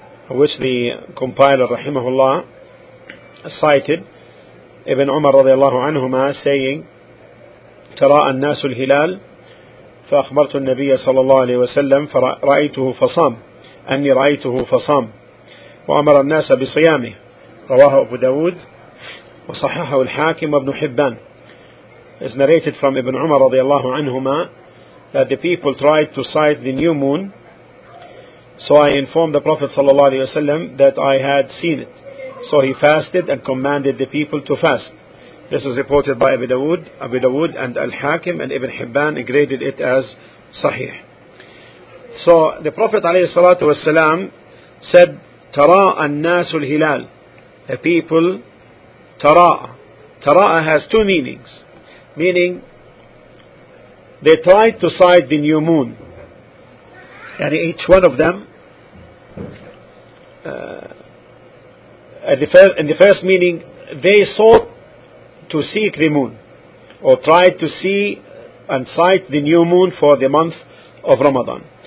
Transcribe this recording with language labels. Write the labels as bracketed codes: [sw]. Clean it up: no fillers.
[en] which the compiler rahimahullah cited Ibn Umar radiallahu anhuma saying, [ar] تراء الناس الهلال فأخبرت النبي صلى الله عليه وسلم فرأيته فصام أني رأيته فصام وأمر الناس بصيامه. رواه أبو داود وصححه الحاكم وابن حبان. [en] Is narrated from Ibn Umar رضي الله عنهما that the people tried to sight the new moon, so I informed the Prophet صلى الله عليه وسلم that I had seen it, so he fasted and commanded the people to fast. This is reported by Abu Dawood and Al-Hakim, and Ibn Hibban graded it as Sahih. So the Prophet عليه الصلاة والسلام said, تراء الناس الهلال. The people تراء. تراء has two meanings. Meaning, they tried to sight the new moon. And each one of them, in the first meaning, they sought to seek the moon, or tried to see and sight the new moon for the month of Ramadan.